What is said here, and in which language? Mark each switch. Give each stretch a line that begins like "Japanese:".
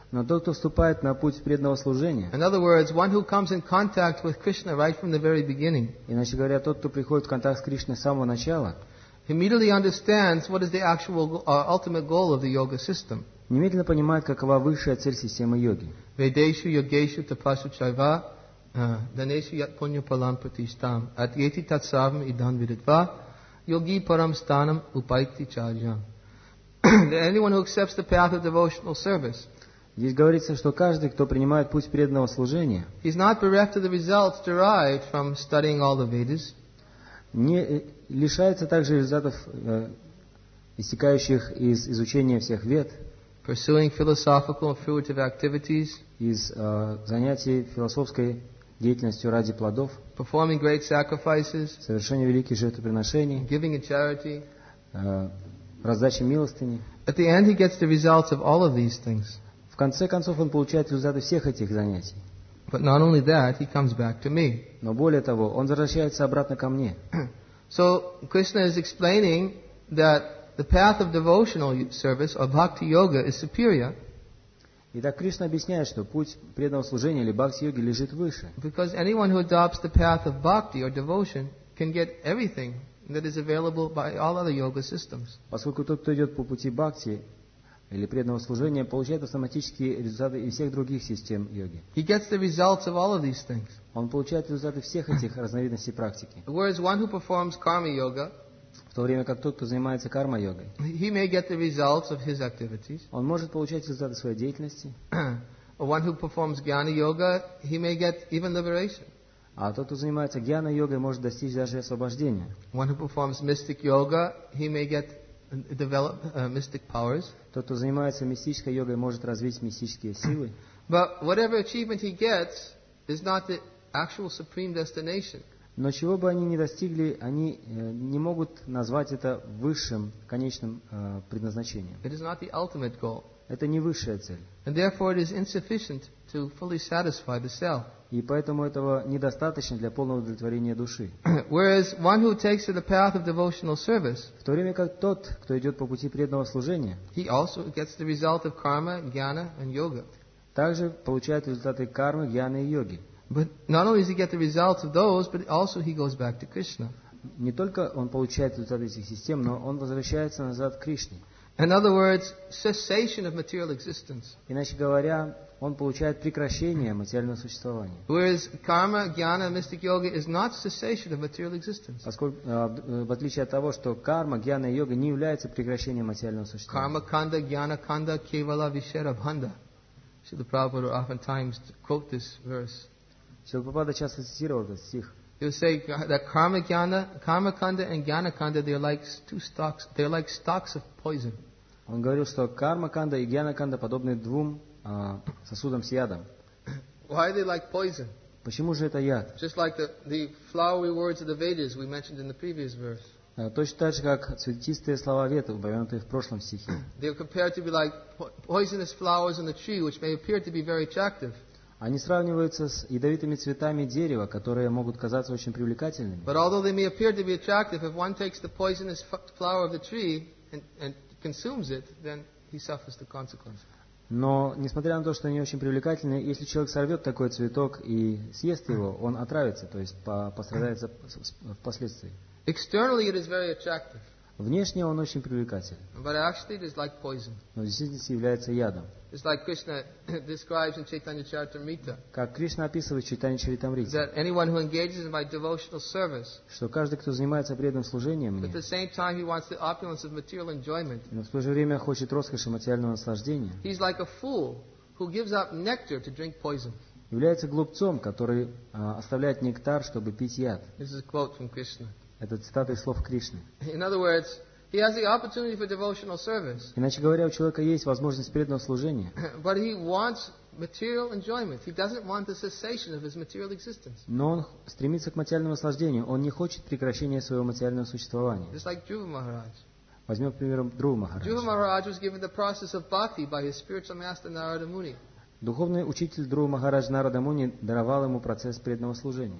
Russian: но тот, кто вступает на путь преданного служения,
English: in other words, one who comes in contact with Krishna right from the very beginning,
Russian: иначе говоря, тот, кто приходит в контакт с Кришной с самого начала,
English: immediately understands what is the actual ultimate goal of the yoga system.
Russian: Немедленно понимает, какова высшая цель системы йоги.
Sanskrit: Vedeshu yogeshu tapasu chaiva daneshu yat punya palam pratishtam atyeti tatsavam idan viditva yogi param stanam upaiti charyam.
English: Anyone who accepts the path of devotional service,
Russian: здесь говорится, что каждый, кто принимает путь преданного служения, не лишается также результатов, истекающих из изучения всех вед, из занятий философской деятельностью ради плодов, совершения великих жертвоприношений, раздачи милостыни.
English: At the end he gets the results of all of these things.
Russian: В конце концов, он получает результаты всех этих занятий.
English: But not only that, he comes back to me.
Russian: Но более того, он возвращается обратно ко мне.
English: So, Krishna is explaining that the path of devotional service or bhakti yoga is superior.
Russian: Итак, Кришна объясняет, что путь преданного служения или бхакти-йоги лежит выше.
English: Because anyone who adopts the path of bhakti or devotion can get everything that is available by all other yoga systems.
Russian: Поскольку тот, кто идет по пути бхакти, или преданного служения, получает автоматические результаты из всех других систем йоги.
English: He gets the results of all of these things.
Russian: Он получает результаты всех этих разновидностей практики.
English: Whereas one who performs karma yoga,
Russian: в то время как тот, кто занимается карма-йогой,
English: he may get the results of his activities.
Russian: Он может получать результаты своей деятельности.
English: One who performs jnana yoga, he may get even liberation.
Russian: А тот, кто занимается гьяна-йогой, может достичь даже освобождения.
English: One who performs mystic yoga, he may get and develop mystic powers.
Russian: Тот, кто занимается мистической йогой, может развить мистические силы.
English: But whatever achievement he gets is not the actual supreme destination.
Russian: Но чего бы они ни достигли, они не могут назвать это высшим конечным предназначением.
English: It is not the ultimate goal.
Russian: Это не высшая цель.
English: And therefore it is insufficient to fully satisfy the self.
Russian: И поэтому этого недостаточно для полного удовлетворения души.
English: Whereas one who takes the path of devotional service,
Russian: в то время как тот, кто идет по пути преданного служения,
English: he also gets the result of karma, jnana and yoga.
Russian: Также получает результаты кармы, гьяны и йоги.
English: But not only does he get the results of those, but also he goes back to Krishna.
Russian: Не только он получает результаты этих систем, но он возвращается назад к Кришне.
English: In other words, cessation of material existence.
Russian: Иначе говоря, он получает прекращение материального существования.
English: Whereas karma, jnana, mystic yoga is not cessation of material existence.
Russian: Поскольку в отличие от того, что карма, гьяна и йога не является прекращением материального существования.
Sanskrit: Karma kanda, jnana kanda, kevala vishera bhanda.
English: Srila Prabhupada oftentimes quote this verse.
Russian: Srila Prabhupada часто цитировал этот стих.
English: He would say that karma, jnana, karma kanda and jnana kanda, they're like two stalks. They're like stalks of poison.
Russian: Он говорил, что карма канда и гьяна канда подобны двум сосудом с ядом.
English: Why are they like poison?
Russian: Почему же это яд?
English: Just like the flowery words of the Vedas we mentioned in the previous verse.
Russian: Точно так же, как цветистые слова Веды, упомянутые в прошлом стихе.
English: They are compared to be like poisonous flowers on the tree, which may appear to be very attractive.
Russian: Они сравниваются с ядовитыми цветами дерева, которые могут казаться очень привлекательными.
English: But although they may appear to be attractive, if one takes the poisonous flower of the tree and consumes it, then he suffers the consequences.
Russian: Но, несмотря на то, что они очень привлекательны, если человек сорвет такой цветок и съест его, он отравится, то есть пострадает впоследствии.
English: Externally it is very attractive.
Russian: Внешне он очень привлекательный.
English: But actually it is like poison.
Russian: Но в действительности является ядом.
English: It's like Krishna describes in Chaitanya Charitamrita.
Russian: Как Кришна описывает в Чайтанья Чаритамрите.
English: That anyone who engages in my devotional service,
Russian: что каждый, кто занимается преданным служением мне,
English: at the same time he wants the opulence of material enjoyment,
Russian: но в то же время хочет роскоши материального наслаждения,
English: he's like a fool who gives up nectar to drink poison.
Russian: Является глупцом, который оставляет нектар, чтобы пить яд.
English: This is a quote from Krishna.
Russian: Это цитата из слов Кришны.
English: In other words, He has the opportunity for devotional service.
Russian: Иначе говоря, у человека есть возможность преданного служения.
English: But he wants material enjoyment. He doesn't want the cessation of his material existence.
Russian: Но он стремится к материальному наслаждению. Он не хочет прекращения своего материального существования.
English: Just like Dhruva Maharaj.
Russian: Возьмем, к примеру, Dhruva Maharaj.
English: Dhruva Maharaj was given the process of bhakti by his spiritual master Narada Muni.
Russian: Духовный учитель Дхрува Махарадж Нарада Муни даровал ему процесс преданного служения.